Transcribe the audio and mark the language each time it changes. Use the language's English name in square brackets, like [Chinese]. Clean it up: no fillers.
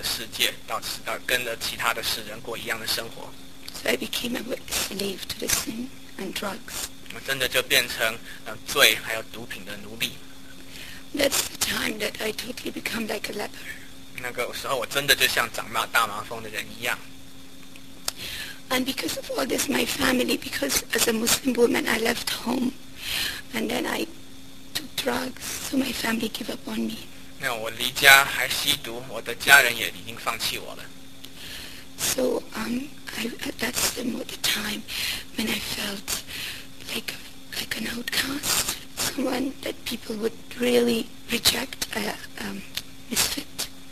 [Chinese] 所以我都一直想要控制自己的行为，但是最后没有办法了，我就放弃了，我就跟着世界到跟着其他的世人过一样的生活。 [English] So I became a slave to the sin and drugs. [Chinese] 我真的就变成 罪还有毒品的奴隶。 [English] That's the time that I totally become like a leper. [Chinese] 那个时候我真的就像长大麻风的人一样。 [English] And because of all this, my family, because as a Muslim woman, I left home. And then I took drugs, so my family gave up on me. [Chinese] 那我离家还吸毒，我的家人也已经放弃我了。 [English] So that's the time when I felt like an outcast, someone that people would really reject, misfit.